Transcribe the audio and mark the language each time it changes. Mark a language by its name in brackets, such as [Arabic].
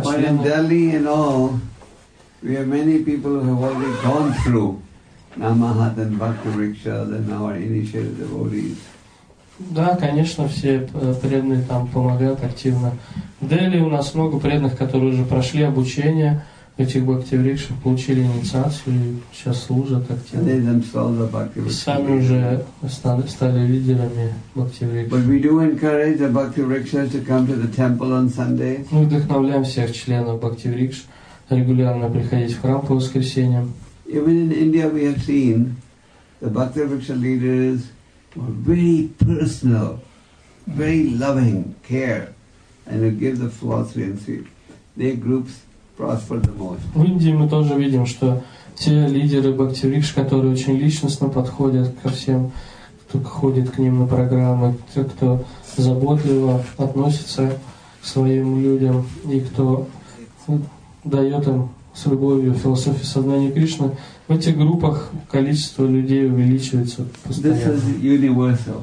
[English] but in Delhi and all, we have many people who have already gone through. Намахат and Бхакти Рикша, then our initiated devotees. [Russian] Да, конечно, все преданные там помогают активно. В Дели у нас много преданных, которые уже прошли обучение в этих Бхакти Рикша, получили инициацию и сейчас служат активно. И сами уже стали лидерами Бхакти Рикша. [English] But we do encourage the Бхакти Рикша to come to the temple on Sundays. [Russian] Мы вдохновляем всех членов Бхакти Рикш регулярно приходить в храм по воскресеньям. [English] Even in India, we have seen the Bhakti Riksha leaders were very personal, very loving care, and would give the philosophy and see their groups prosper the most. [Russian] В Индии мы тоже видим, что те лидеры Бхакти Рикш, которые очень личностно подходят ко всем, кто ходит к ним на программы, те, кто заботливо относится к своим людям и кто дает им с любовью, философией сознания Кришны, в этих группах количество людей увеличивается постоянно.